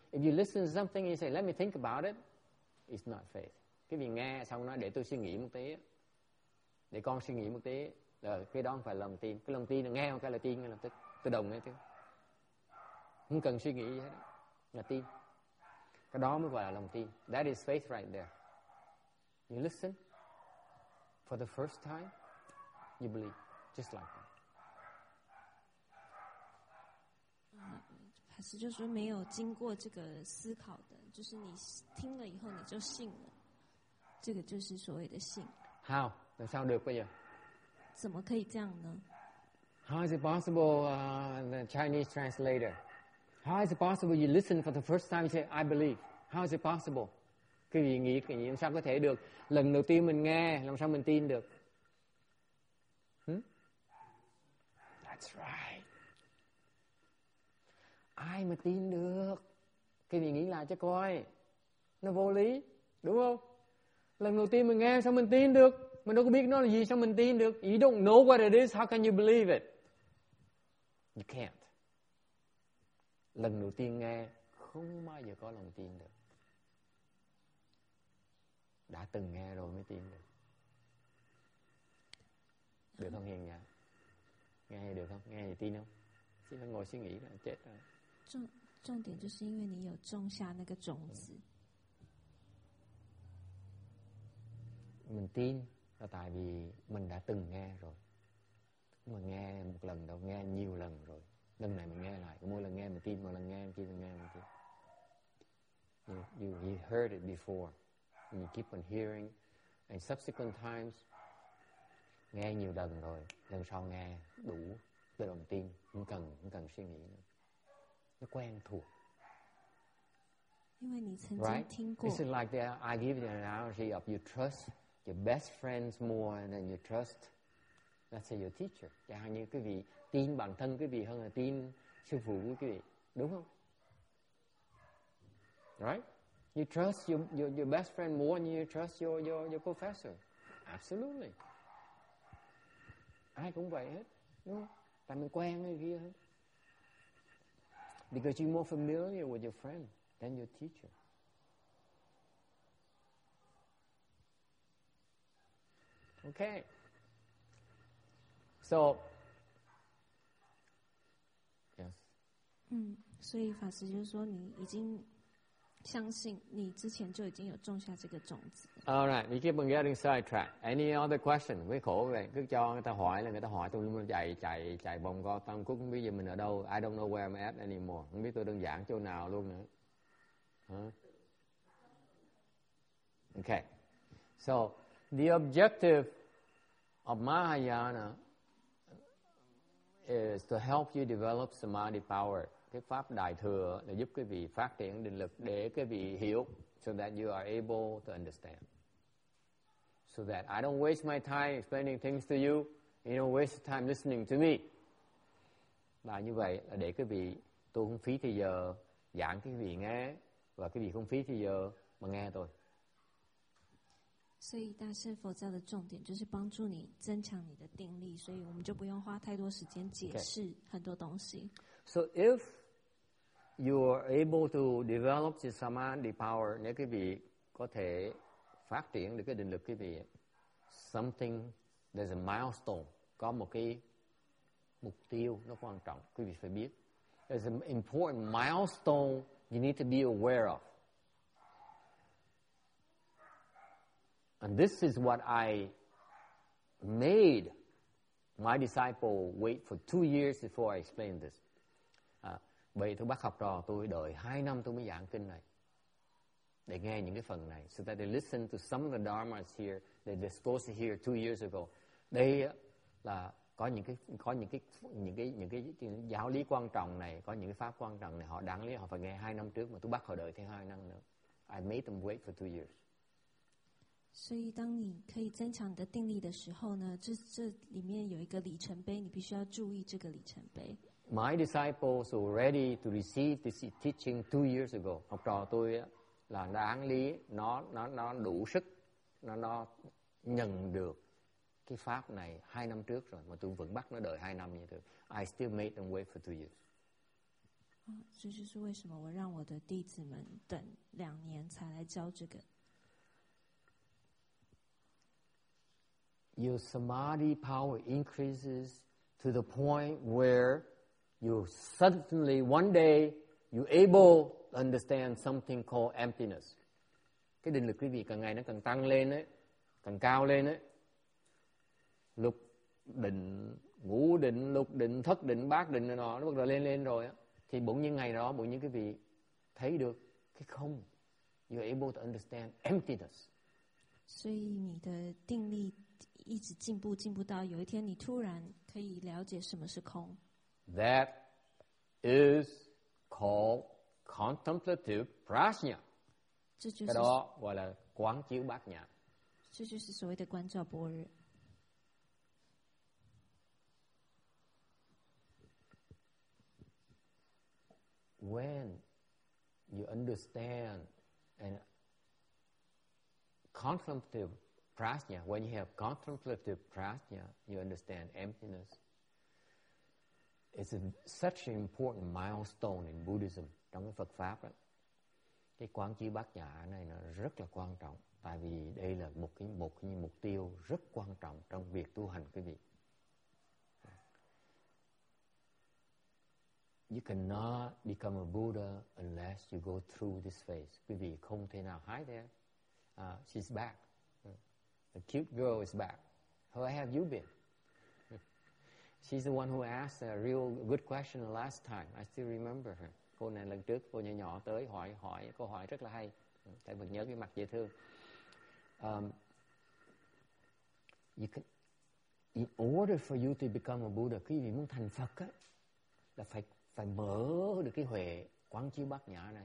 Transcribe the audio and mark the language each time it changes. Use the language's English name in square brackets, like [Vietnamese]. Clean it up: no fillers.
[English] If you listen to something, you say, let me think about it. It's not faith. [Vietnamese] Cái vì nghe xong nói, để tôi suy nghĩ một tí đó. Để con suy nghĩ một tí, rồi cái đó không phải lòng tin. Cái lòng tin nghe một cái là tin ngay lập tức, tự động ngay tức. Không cần suy nghĩ gì hết, là tin. Cái đó mới gọi là lòng tin. [English] That is faith right there. You listen. For the first time, you believe. Just like that. [Chinese] 还是就是没有经过这个思考的，就是你听了以后你就信了，这个就是所谓的信。 [English] How? [Chinese] 能上得过呀？怎么可以这样呢 [English] ？How is it possible, the Chinese translator? How is it possible you listen for the first time? You say, I believe. How is it possible? [Vietnamese] Cái gì nghĩ cái gì làm sao có thể được? Lần đầu tiên mình nghe, làm sao mình tin được? [English] That's right. [Vietnamese] Ai mà tin được? Cái gì nghĩ lại cho coi? Nó vô lý, đúng không? Lần đầu tiên mình nghe, sao mình tin được? Mình đâu có biết nó là gì sao mình tin được. [English] You don't know what it is, how can you believe it? You can't. [Vietnamese] Lần đầu tiên nghe, không bao giờ có lòng tin được. Đã từng nghe rồi mới tin được. Được không Hiền nhỉ? Nghe thì được không? Nghe thì tin không? Chỉ phải ngồi suy nghĩ là chết rồi. Trọng điểm [Chinese] 就是因为你有种下那个种子。 [Vietnamese] Mình tin là tại vì mình đã từng nghe rồi. Mà nghe một lần đâu, nghe nhiều lần rồi. Lần này mình nghe lại, mỗi lần nghe mình tin, mỗi lần nghe mình tin, mỗi lần nghe mình tin. [English] You heard it before. And you keep on hearing. And subsequent times, [Vietnamese] nghe nhiều lần rồi. Lần sau nghe đủ, tự động tin. Không cần suy nghĩ nữa. Nó quen thuộc. [English] Right? Is it like that? I give you an analogy of you trust your best friends more than you trust, let's say, your teacher. [Vietnamese] Chẳng hạn như quý vị tin bản thân quý vị hơn là tin sư phụ của quý vị. Đúng không? [English] Right? You trust your best friend more than you trust your professor. Absolutely. [Vietnamese] Ai cũng vậy hết. Đúng không? Tại mình quen người kia hết. [English] Because you're more familiar with your friend than your teacher. Okay. So. Yes. [Chinese] 所以法师就是说你已经相信你之前就已经有种下这个种子。 [English] All right, we keep on getting sidetracked. Any other question? [Vietnamese] Quý khổ vậy, cứ cho người ta hỏi là người ta hỏi tôi luôn chạy bồng co tâm cũng không biết giờ mình ở đâu. [English] I don't know where I'm at anymore. [Vietnamese] Không biết tôi đơn giản chỗ nào luôn nữa. Huh? [English] Okay. So, the objective of Mahayana is to help you develop samadhi power. [Vietnamese] Cái pháp đại thừa là giúp quý vị phát triển định lực để quý vị hiểu, [English] so that you are able to understand. So that I don't waste my time explaining things to you, you don't waste time listening to me. [Vietnamese] Và như vậy là để quý vị, tôi không phí thời giờ giảng quý vị nghe, và quý vị không phí thời giờ mà nghe tôi. [Chinese] 所以大乘佛教的重点就是帮助你增强你的定力，所以我们就不用花太多时间解释很多东西。 [English] Okay. So if you are able to develop the samadhi power, [Chinese] 你可以 [Vietnamese] có thể phát triển được cái định lực quý vị. [English] Something there's a milestone, [Vietnamese] có một cái mục tiêu nó quan trọng, quý vị phải biết. [English] There's an important milestone you need to be aware of. And this is what I made my disciple wait for 2 years before I explained this. [Vietnamese] Vậy tôi bắt học trò tôi đợi 2 năm tôi mới giảng kinh này. Để nghe những cái phần này. [English] So that they listen to some of the dharmas here they discussed here 2 years ago. [Vietnamese] Đây là có những cái giáo lý quan trọng này, có những cái pháp quan trọng này, họ đáng lý họ phải nghe 2 năm trước mà tôi bắt họ đợi thêm 2 năm nữa. [English] I made them wait for 2 years. [Chinese] 所以当你可以增强你的定力的时候呢，这里面有一个里程碑，你必须要注意这个里程碑。 [English] My disciples already to receive this teaching 2 years ago. [Vietnamese] học trò tôi là đáng lý nó đủ sức nó nhận được cái pháp này 2 năm trước rồi, mà tôi vẫn bắt nó đợi 2 năm như thế. [English] I still made them wait for 2 years. [Chinese] 这就是为什么我让我的弟子们等2年才来教这个。 [English] Your samadhi power increases to the point where you suddenly, one day, you're able to understand something called emptiness. [Chinese] 这个定力 [Vietnamese] quý vị càng ngày nó càng tăng lên ấy, càng cao lên ấy. Lục định, ngũ định, lục định, thất định, bát định, nó bắt đầu lên lên rồi á. Thì bỗng nhiên ngày đó, bỗng nhiên quý vị thấy được cái không. [English] You're able to understand emptiness. [Chinese] 所以你的定力一直进步，进步到有一天你突然可以了解什么是空。 [English] That is called contemplative prajna. [Chinese] 这就是叫做观照般若。这就是所谓的观照般若。 [English] When you understand and contemplative prajna, when you have contemplative prajna, you understand emptiness. It's such an important milestone in Buddhism, [Vietnamese] trong cái Phật pháp đó. Cái quán chiếu bát nhã này nó rất là quan trọng, tại vì đây là một cái mục tiêu rất quan trọng trong việc tu hành quý vị. [English] You cannot become a Buddha unless you go through this phase. [Vietnamese] Quý vị không thể nào. [English] Hi there. She's back. The cute girl is back. Where have you been? She's the one who asked a real good question last time. I still remember her. [Vietnamese] Cô này lần trước, cô nhỏ nhỏ tới hỏi câu hỏi rất là hay. Tại vẫn nhớ cái mặt dễ thương. [English] In order for you to become a Buddha, [Vietnamese] quý vị muốn thành Phật á, là phải mở được cái huệ quán chiếu bát nhã này.